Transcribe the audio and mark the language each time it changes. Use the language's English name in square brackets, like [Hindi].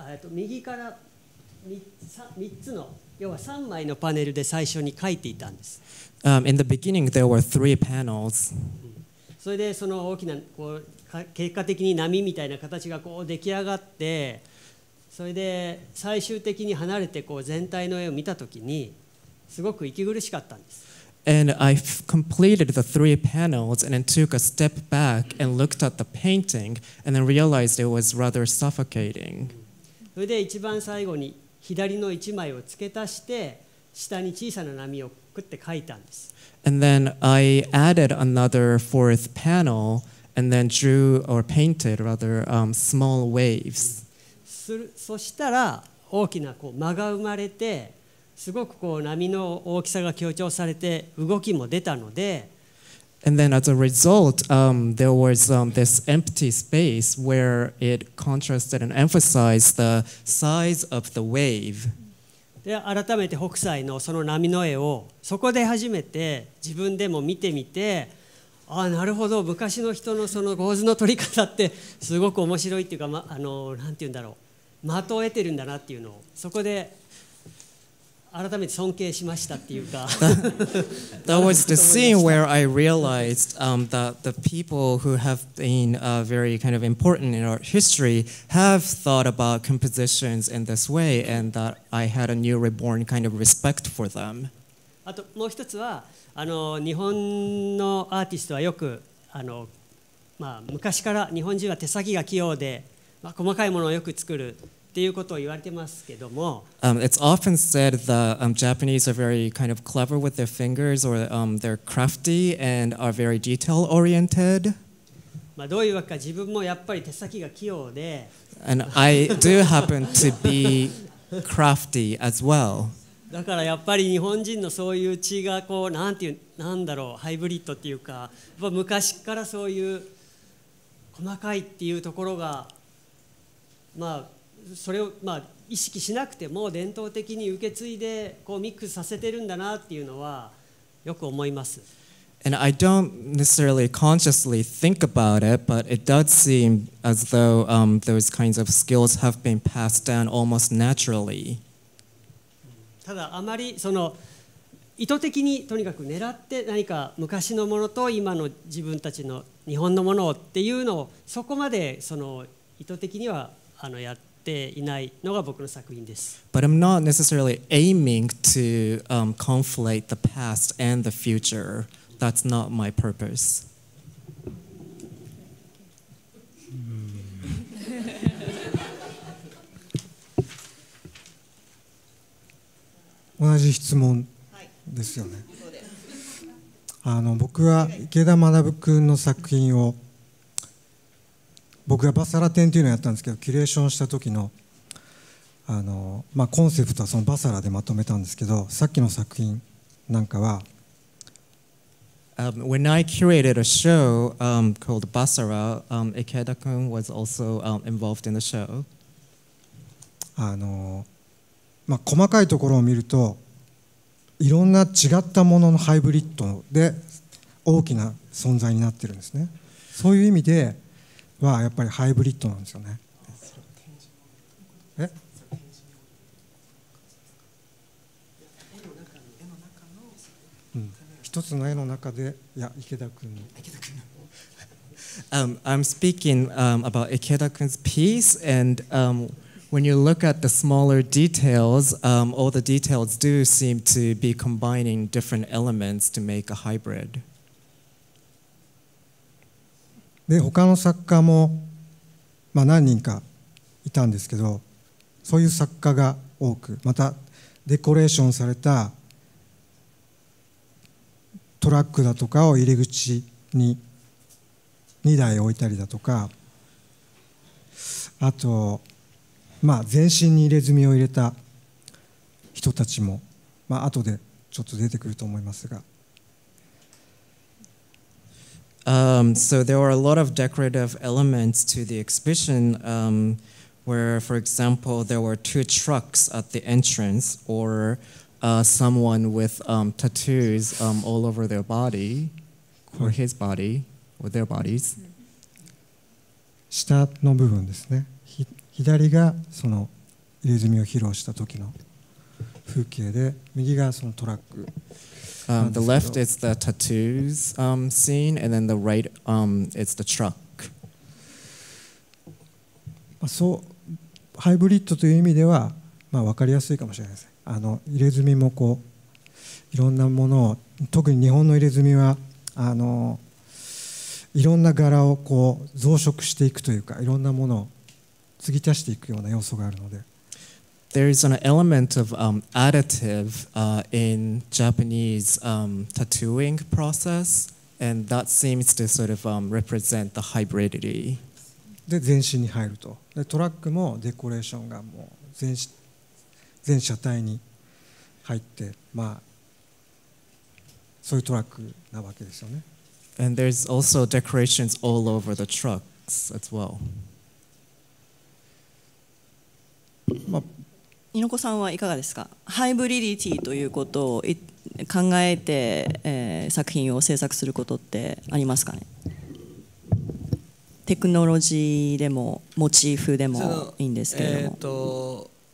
[Japanese] 右から3つの、要は3枚のパネルで最初に描いていたんです。 [English] In the beginning, there were three panels. [Japanese] それでその大きなこう結果的に波みたいな形がこう出来上がって、それで最終的に離れてこう全体の絵を見たときにすごく息苦しかったんです。 [English] And I completed the three panels and then took a step back and looked at the painting and then realized it was rather suffocating. [Japanese] それで一番最後に左の一枚を付け足して下に小さな波をくって描いたんです。 [English] And then I added another fourth panel and then drew or painted rather small waves. [Japanese] そしたら大きなこう間が生まれてすごくこう波の大きさが強調されて動きも出たので。 [English] And then as a result, there was this empty space where it contrasted and emphasized the size of the wave. [Japanese] で、改めて北斎のその波の絵をそこで初めて自分でも見てみて、あ、なるほど、昔の人のその構図の取り方ってすごく面白いっていうか、ま、あの、なんて言うんだろう、的を得てるんだなっていうのをそこで改めて尊敬しましたっていうか。 [English] That was the scene where I realized that the people who have been very kind of important in art history have thought about compositions in this way and that I had a new reborn kind of respect for them. [Japanese] あともう一つは、あの、日本のアーティストはよく、あの、まあ、昔から日本人は手先が器用で、まあ、細かいものをよく作る。 [English] It's often said that Japanese are very kind of clever with their fingers or they're crafty and are very detail oriented. [Japanese] まあどういうわけか自分もやっぱり手先が器用で。 [English] And I do happen to be crafty as well. [Japanese] だからやっぱり日本人のそういう血がこうなんていうなんだろうハイブリッドっていうか、やっぱ昔からそういう細かいっていうところがまあ。それをまあ意識しなくても伝統的に受け継いでこうミックスさせてるんだなっていうのはよく思います。 [English] And I don't necessarily consciously think about it, but it does seem as though those kinds of skills have been passed down almost naturally. [Japanese] ただあまりその意図的にとにかく狙って何か昔のものと今の自分たちの日本のものっていうのをそこまでその意図的にはあのやっていないのが僕の作品です。 [English] But I'm not necessarily aiming to conflate the past and the future. That's not my purpose. [Japanese] うん。同じ質問ですよね。あの、僕は池田学君の作品を僕がバサラ展というのをやったんですけど、キュレーションした時の、あの、まあ、コンセプトはそのバサラでまとめたんですけど、さっきの作品なんかは、 [English] When I curated a show called Basara, Ikeda-kun was also involved in the show. [Japanese] あの、まあ、細かいところを見ると、いろんな違ったもののハイブリッドで大きな存在になってるんですね。そういう意味で、はやっぱりハイブリッドなんですよね。え？うん。一つの絵の中で、いや池田君の。 [English] I'm speaking about Ikeda-kun's piece, and when you look at the smaller details, all the details do seem to be combining different elements to make a hybrid. [Japanese] で他の作家も、まあ、何人かいたんですけど、そういう作家が多く、またデコレーションされたトラックだとかを入り口に2台置いたりだとか、あと、まあ、全身に入れ墨を入れた人たちも、まあ後でちょっと出てくると思いますが。 [English] So there were a lot of decorative elements to the exhibition where, for example, there were two trucks at the entrance or someone with tattoos all over their body or his body or their bodies. [Japanese] 下の部分ですね。左がその入れ墨を披露した時の風景で、右がそのトラック。 [English] The left is the tattoos scene, and then the right is the truck. [Japanese] そう、ハイブリッドという意味では、まあ、分かりやすいかもしれないです。あの入れ墨もこういろんなものを、特に日本の入れ墨はあのいろんな柄をこう増殖していくというか、いろんなものを継ぎ足していくような要素があるので。 [English] There is an element of additive in Japanese tattooing process, and that seems to sort of represent the hybridity. [Japanese] で全身に入ると。でトラックもデコレーションがもう全車体に入って、まあそういうトラックなわけですよね。 [English] And there's also decorations all over the trucks as well. [Japanese] まあ猪子さんはいかがですか。ハイブリディティということを考えて、作品を制作することってありますかね。テクノロジーでもモチーフでもいいんですけれども。